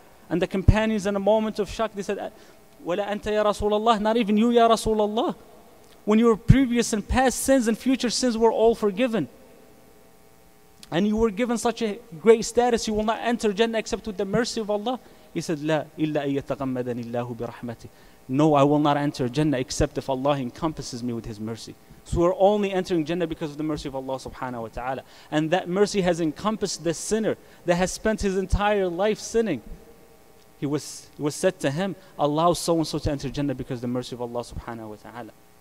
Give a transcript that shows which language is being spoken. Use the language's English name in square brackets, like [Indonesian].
[English] And the companions in a moment of shock, they said, [Arabic] وَلَا أَنْتَ يَا رَسُولَ اللَّهِ, [English] not even you, ya Rasulullah. When your previous and past sins and future sins were all forgiven, and you were given such a great status, you will not enter Jannah except with the mercy of Allah. He said, [Arabic] لا إلا أن يتغمدني الله برحمته. [English] No, I will not enter Jannah except if Allah encompasses me with His mercy. So we're only entering Jannah because of the mercy of Allah subhanahu wa ta'ala. And that mercy has encompassed the sinner that has spent his entire life sinning. was said to him, allow so and so to enter Jannah because of the mercy of Allah subhanahu wa ta'ala.